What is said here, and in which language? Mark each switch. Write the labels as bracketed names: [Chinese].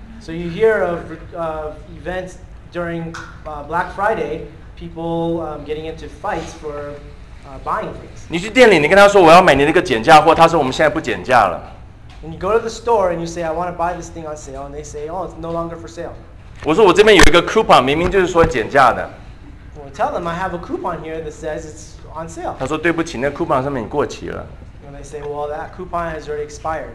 [English] So you hear of events during Black Friday, people getting into fights for buying things. [Chinese] 你去店里，你跟他说我要买你那个减价货，他说我们现在不减价了。 [English] And you go to the store and you say I want to buy this thing on sale, and they say, oh, it's no longer for sale. [Chinese] 我说我这边有一个 coupon， 明明就是说减价的。 [English] Well, tell them I have a coupon here that says it's on sale. [Chinese] 他说对不起，那 coupon 上面你过期了。 [English] And they say, well, that coupon has already expired.